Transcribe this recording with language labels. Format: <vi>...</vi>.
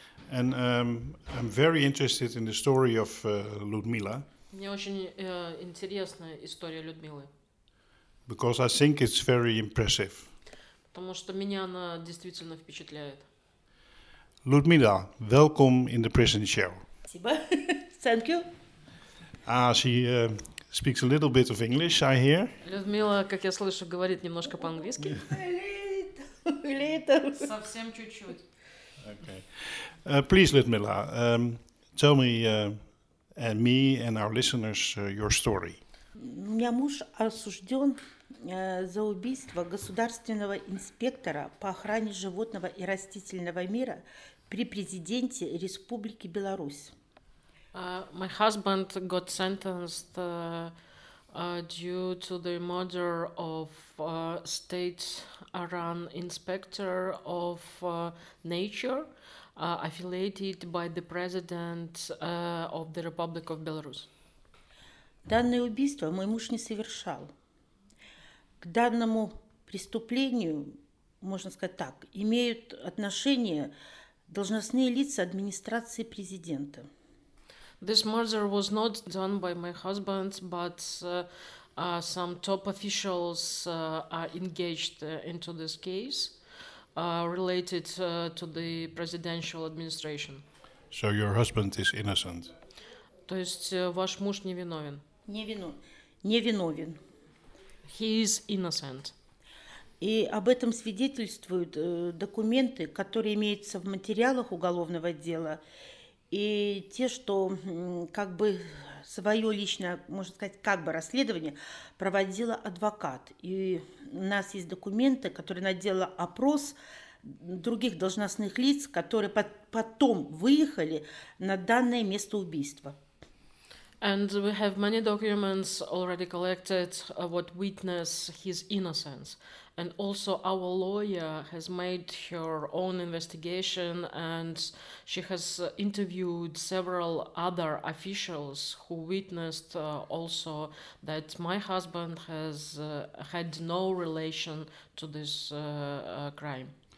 <en>And I'm very interested in the story of Ludmila.</en> <ru>Мне очень интересна история Людмилы.</ru> <en>Because I think it's very impressive.</en> <ru>Потому что меня она действительно впечатляет.</ru> <en>Ludmila, welcome in the prison show.</en> <ru>Спасибо.</ru> <en>Thank you. She speaks a little bit of English, I hear.</en> <ru>Людмила, как я слышу, говорит немножко по-английски. Или это... Совсем чуть-чуть.</ru> <en>Okay. Please, Людмила, tell me and me and our listeners your story.</en> <ru>У меня муж осужден за убийство государственного инспектора по охране животного и растительного мира при президенте Республики Беларусь.</ru> <en>My husband got sentenced due to the murder of a state-run inspector of nature affiliated by the president of the Republic of Belarus.</en> <ru>Данное убийство мой муж не совершал. К данному преступлению, можно сказать так, имеют отношение должностные лица администрации президента.</ru> <en>This murder was not done by my husband, but some top officials are engaged into this case related to the presidential administration. So your husband is innocent?</en> <ru>То есть ваш муж невиновен? Невиновен.</ru> <en>He is innocent.</en> <ru>И об этом свидетельствуют документы, которые имеются в материалах уголовного дела, и те, что как бы свое личное, можно сказать, как бы расследование проводила адвокат. И у нас есть документы, которые она делала опрос других должностных лиц, которые потом выехали на данное место убийства.</ru> <en>And we have many documents already collected what witness his innocence. And also our lawyer has made her own investigation and she has interviewed several other officials who witnessed also that my husband has had no relation to this crime.</en>